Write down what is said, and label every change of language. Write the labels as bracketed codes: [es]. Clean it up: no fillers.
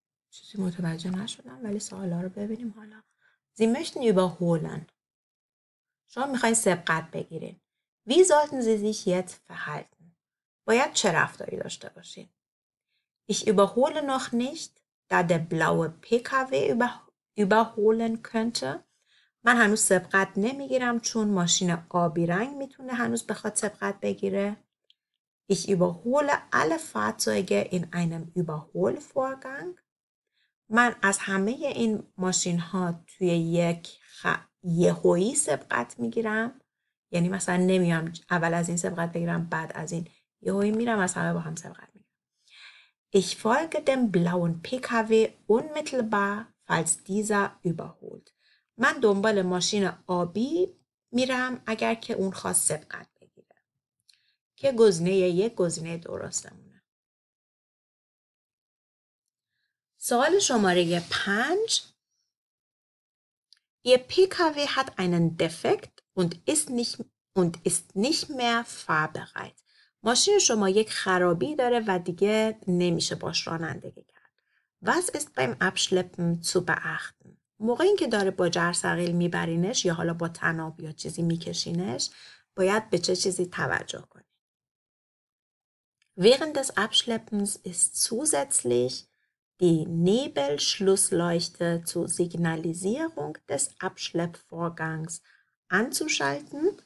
[fa] چیزی متوجه نشدم ولی سوالا رو ببینیم حالا. [de] Sie möchten überholen. [fa] شما میخواین سبقت بگیرین. [de] Wie sollten Sie sich jetzt verhalten? [fa] باید چه رفتاری داشته باشین؟ [de] Ich überhole noch nicht, da der blaue PKW überholen könnte. [fa] من هنوز سبقت نمیگیرم چون ماشین آبی رنگ میتونه هنوز بخواد سبقت بگیره. [de] Ich überhole alle Fahrzeuge in einem Überholvorgang. [fa] من از همه این ماشین ها توی یهویی سبقت میگیرم. یعنی مثلا نمیام اول از این سبقت بگیرم بعد از این یهویی میرم از همه با هم سبقت میگیرم. [de] Ich folge dem blauen PKW unmittelbar, falls dieser überholt. [fa] من دنبال ماشین آبی میرم اگر که اون خواست سبقت بگیره که گزینه یک گزینه درستمونه. سوال شماره 5. [de] Ihr PKW hat einen Defekt und ist nicht mehr fahrbereit. [fa] ماشین شما یک خرابی داره و دیگه نمیشه باش رانندگی کرد. [de] Was ist beim Abschleppen zu beachten? [fa] موقع این که داره با جرثقیل میبرینش یا حالا با تناب یا چیزی میکشینش باید به چه چیزی توجه کنی؟ [de] Während des Abschleppens ist zusätzlich die Nebelschlussleuchte zur Signalisierung des Abschleppvorgangs anzuschalten.